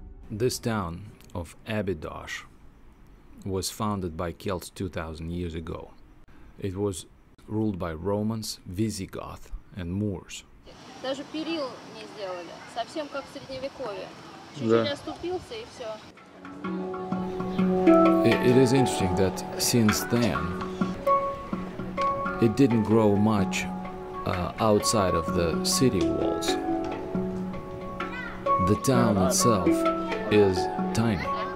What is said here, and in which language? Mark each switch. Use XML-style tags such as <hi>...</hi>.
<en>This town of Abidos was founded by Celts 2000 years ago. It was ruled by Romans, Visigoths, and Moors.</en> <ru>Даже перил не сделали, совсем как в средневековье. Чуть-чуть оступился и все.</ru> <en>It is interesting that since then it didn't grow much outside of the city walls. The town itself is tiny.</en>